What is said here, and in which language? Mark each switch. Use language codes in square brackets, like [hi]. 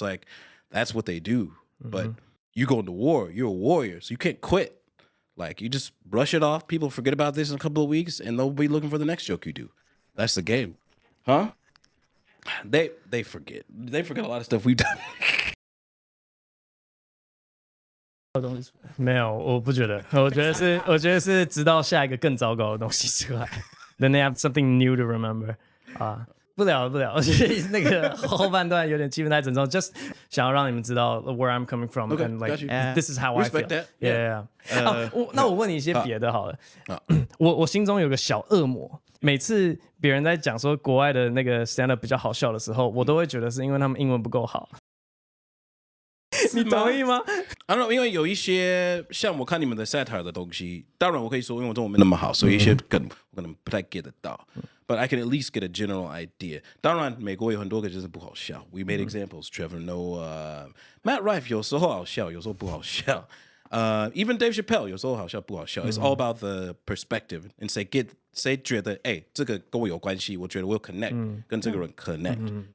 [en] Like, that's what they do. Mm-hmm. But you're going to war. You're a warrior, so you can't quit. Like, you just brush it off, people forget about this in a couple of weeks, and they'll be looking for the next joke you do. That's the game. Huh? They forget. They forget a lot of stuff we've done. [zh] 没有，我不觉得。我觉得是直到下一个更糟糕的东西出来。 [en] Then they have something new to remember. [zh] 不聊了，不聊。我觉得那个后半段有点气氛太沉重。 [en] Just [zh] 想要让你们知道 [en] where I'm coming from okay, and like、 yeah. this is how、 Respect、 I feel. That, yeah, yeah. yeah. [zh] 那我问你一些别的好了。我心中有个小恶魔，每次别人在讲说国外的那个 stand up 比较好笑的时候，我都会觉得是因为他们英文不够好。你同意吗？ [en] I don't know. [zh] 因为有一些像我看你们的 satire 的东西，当然我可以说英文中文没那么好，所以一些梗我可能不太 get 得到。 [en] But I can at least get a general idea. [zh] 当然美国有很多个就是不好笑。 [en] We made examples. Trevor Noah, Matt Rife [zh] 有时候好笑，有时候不好笑。 [en] Even Dave Chappelle [zh] 有时候好笑，不好笑。 [en] It's all about the perspective. And say [zh] 觉得哎，这个跟我有关系，我觉得 [en] we'll connect [zh] 跟这个人 connect.